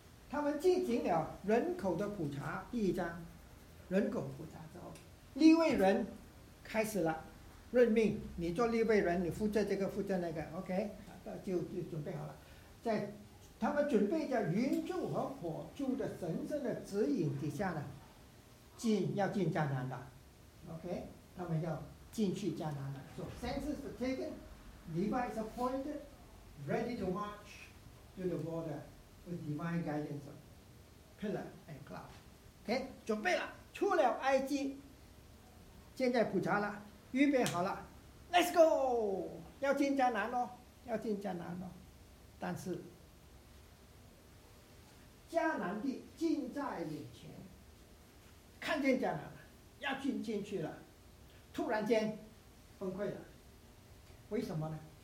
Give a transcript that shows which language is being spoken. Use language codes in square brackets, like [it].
[zh] 他们进行了人口的普查，第一章，人口普查之后，利未人开始了，任命你做利未人，你负责这个负责那个 ，OK， 就准备好了，在他们准备着云柱和火柱的神圣的指引底下呢，要进迦南的 ，OK， 他们要进去迦南的，说 [en] census is taken。 Levi is appointed, ready to march to the border with divine guidance of pillar and cloud. [zh] Okay, 准备了，出了埃及，现在普查了，预备好了 ， [en] Let's go! [zh] 要进迦南喽，要进迦南喽。但是，迦南地近在眼前，看见迦南了，要进去了，突然间崩溃了。为什么呢？